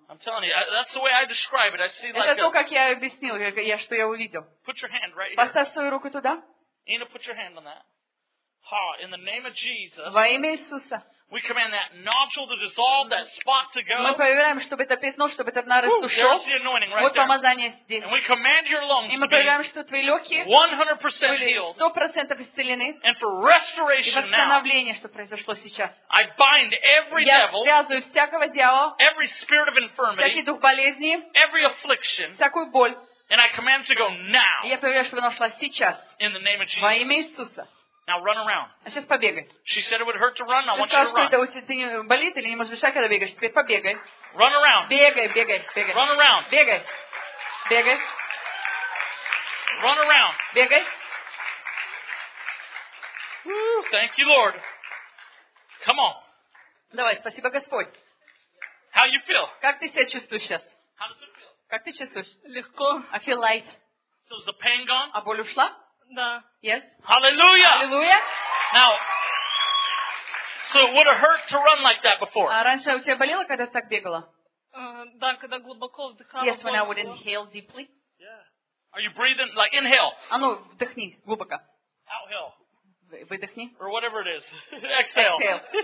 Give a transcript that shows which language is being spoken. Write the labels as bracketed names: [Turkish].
[English] I'm telling you, that's the way I describe it. I see [Russian] это [English] like [Russian] то, a... как я объяснил, что я увидел. [English] Put your hand right [Russian] поставь Поставь свою руку туда. [English] Ina, put your hand on that. Ha, in the name of Jesus. [Russian] Во имя Иисуса. [English] We command that nodule to dissolve, that spot to go. [Russian] Мы повелеваем, чтобы это пятно, чтобы этот нарост ушел. [English] There's the anointing right [Russian] вот помазание здесь. [English] And we command your lungs [Russian] и мы повелеваем, что твои легкие [English] 100% [Russian] были 100% исцелены. [English] And for restoration [Russian] и восстановление, что произошло сейчас. [English] I bind every devil, [Russian] я связываю всякого дьявола, [English] every spirit of infirmity, [Russian] всякий дух болезни, [English] every affliction, [Russian] всякую боль. [English] And I command to go now, [Russian] и я повелеваю, чтобы оно шло сейчас [English] in the name of Jesus. [Russian] Во имя Иисуса. [English] Now run around. [Russian] Сейчас побегай. [English] She said it would hurt to run. I want you to run. [Russian] Ты сказал, что это болит или не можешь дышать, когда бегаешь. Теперь побегай. [English] Run around. [Russian] Бегай, бегай, бегай. [English] Run around. [Russian] Бегай. Бегай. [English] Run around. [Russian] Бегай. [English] Thank you, Lord. Come on. [Russian] Давай, спасибо, Господь. [English] How you feel? [Russian] Как ты себя чувствуешь сейчас? [English] How does it feel? [Russian] Как ты чувствуешь? Легко. [English] I feel light. So is the pain gone? [Russian] А боль ушла? Да. [English] Yes. Hallelujah. Hallelujah. Now, so it would have hurt to run like that before. [Russian] А раньше у тебя болело, когда ты так бегала? Да, когда глубоко вдыхала. [English] Yes, when I would inhale deeply. Yeah. Are you breathing like inhale? [Russian] А ну вдохни глубоко. [English] Outhale. [Russian] Выдохни. [English] Or whatever it is. Exhale. Exhale.